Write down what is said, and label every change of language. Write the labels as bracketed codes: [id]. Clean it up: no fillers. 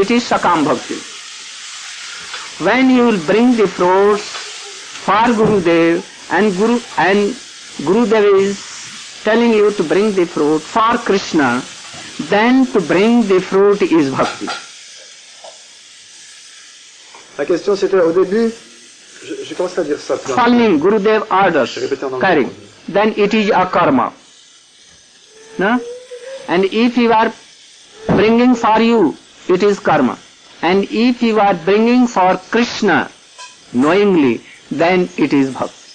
[en] It is sakam bhakti. When you will bring the fruits for Gurudev and Gurudev is telling you to bring the fruit for Krishna, then to bring the fruit is bhakti. [fr] La question c'était au début, je commence à dire ça. Plein. [en] Following Gurudev orders, carrying, then it is a karma. No? And if you are bringing for you, it is karma. And if you are bringing for Krishna knowingly, then it is bhakti.